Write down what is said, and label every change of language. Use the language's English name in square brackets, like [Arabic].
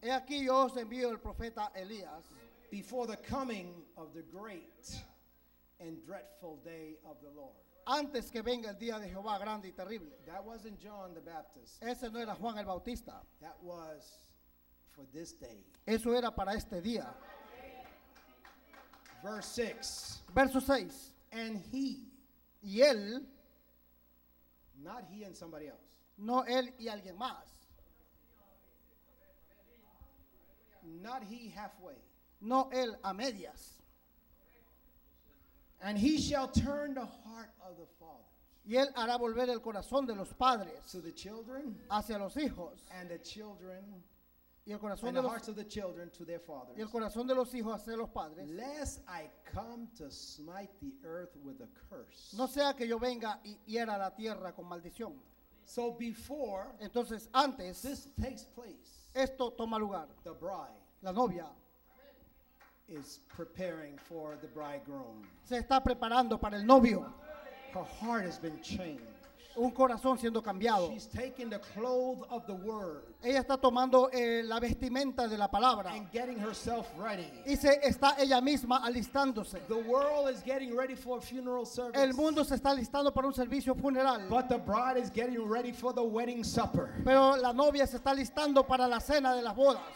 [Spanish] He aquí yo os envío el profeta Elías. [English] Before the coming of the great and dreadful day of the Lord. [Spanish] Antes que venga el día de Jehová grande y terrible. [English] That wasn't John the Baptist. [Spanish] Ese no era Juan el Bautista. [English] That was for this day. [Spanish] Eso era para este día. [English] Verse 6. [Spanish] Verso 6. [English] And he. [Spanish] Y él. [English] Not he and somebody else. [Spanish] No él y alguien más. [English] Not he halfway. [Spanish] No él a medias. [English] And he shall turn the heart of the fathers. [Spanish] Y él hará volver el corazón de los padres. [English] To the children. [Spanish] Hacia los hijos. [English] And the children. [Spanish] Y el corazón [English] and [Spanish] de [English] the [Spanish] los [English] hearts of the children to their fathers. [Spanish] Y el corazón de los hijos hacia los padres. [English] Lest I come to smite the earth with a curse. [Spanish] No sea que yo venga y hiera la tierra con maldición. [English] So before, [Spanish] entonces antes, [English] this takes place, [Spanish] esto toma lugar, [English] the bride, [Spanish] la novia, [English] is preparing for the bridegroom. [Spanish] Se está preparando para el novio. [English] Her heart has been changed. [Spanish] Un corazón siendo cambiado. [English] She's taking the clothes of the word. [Spanish] Ella está tomando la vestimenta de la palabra. [English] And getting herself ready. [Spanish] Y se está ella misma alistándose. [English] The world is getting ready for a funeral service. [Spanish] El mundo se está alistando para un servicio funeral. [English] But the bride is getting ready for the wedding supper. [Spanish] Pero la novia se está alistando para la cena de las bodas.